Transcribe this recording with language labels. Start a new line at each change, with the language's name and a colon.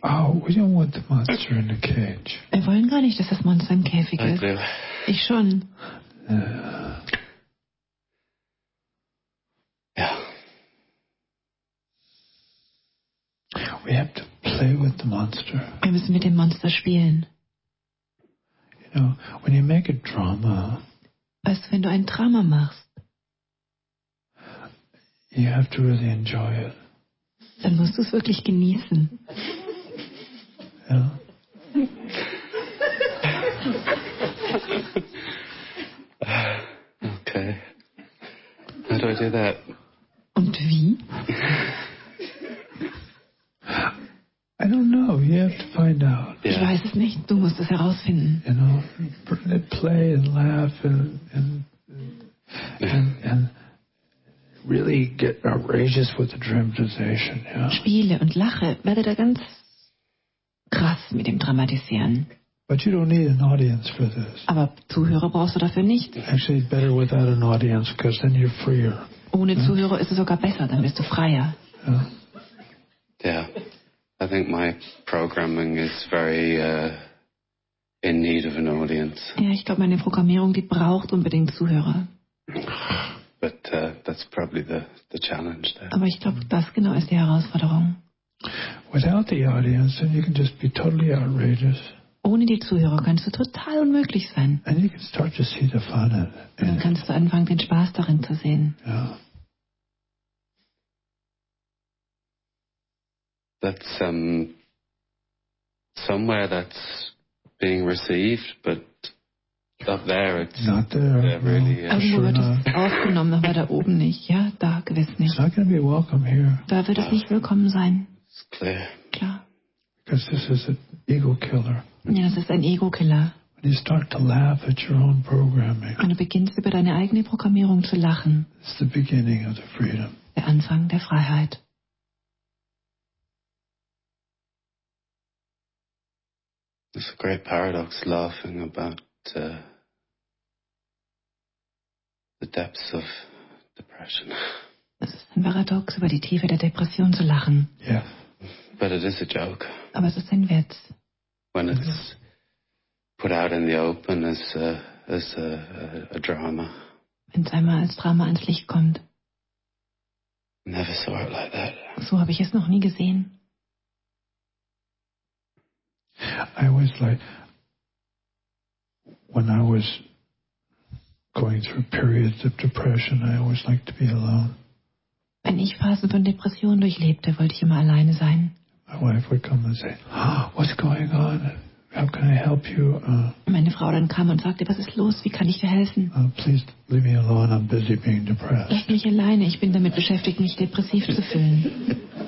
English: Oh, we don't want the monster in the cage.
German: Wir wollen gar nicht, dass das Monster im Käfig ist. Ich schon.
English: Yeah. We have to play with the monster.
German: Wir müssen mit dem Monster spielen.
English: You know, when you make a drama.
German: Weißt du, wenn du ein Drama machst.
English: You have to really enjoy it.
German: Dann musst du es wirklich genießen. Ja.
English: Okay. How do I do that?
German: Und wie?
English: I don't know. You have to find out.
German: Yeah. Ich weiß es nicht. Du musst es herausfinden.
English: You know, play and laugh and really get outrageous with the dramatization, yeah.
German: Spiele und lache, werde da ganz krass mit dem Dramatisieren.
English: But you don't need an audience for this.
German: Aber Zuhörer brauchst du dafür nicht.
English: Actually, better without an audience, because then you're freer.
German: Ohne Zuhörer ist es sogar besser, dann bist du freier.
English: Yeah. I think my programming is very in need of an audience.
German: Ja, ich glaube, meine Programmierung, die braucht unbedingt Zuhörer.
English: But that's probably the challenge there.
German: Aber ich glaube, das genau ist die Herausforderung.
English: Without the audience, then you can just be totally outrageous.
German: Ohne die Zuhörer kannst du total unmöglich sein.
English: And you can start to see the fun in it.
German: Dann kannst du anfangen, den Spaß darin zu sehen.
English: Yeah. That's somewhere that's being received, but up there. It's not there. Really, no.
German: Aber sure wird es aufgenommen, aber da oben nicht. Ja, da gewiss nicht.
English: It's not going to be welcome here.
German: Da wird es nicht willkommen sein.
English: It's clear.
German: Klar.
English: Because this is an ego killer.
German: Ja, das ist ein Ego Killer.
English: When you start to laugh at your own programming.
German: Und du beginnst über deine eigene Programmierung zu lachen.
English: It's the beginning of the freedom.
German: Der Anfang der Freiheit.
English: It's a great paradox laughing about the depths of depression.
German: Es ist ein Paradox, über die Tiefe der Depression zu lachen.
English: Yes. But it is a joke.
German: Aber es ist ein Witz.
English: When it's put out in the open as a drama.
German: Wenn es einmal als Drama ans Licht kommt.
English: Never saw it like that.
German: So habe ich es noch nie gesehen.
English: I was like, when I was going through periods of depression, I always liked to be alone.
German: Wenn ich Phasen von Depressionen durchlebte, wollte ich immer alleine sein.
English: My wife would come and say, oh, what's going on? How can I help you?
German: Meine Frau dann kam und sagte, was ist los? Wie kann ich dir helfen?
English: Please leave me alone. I'm busy being depressed.
German: Lass mich alleine. Ich bin damit beschäftigt, mich depressiv zu fühlen.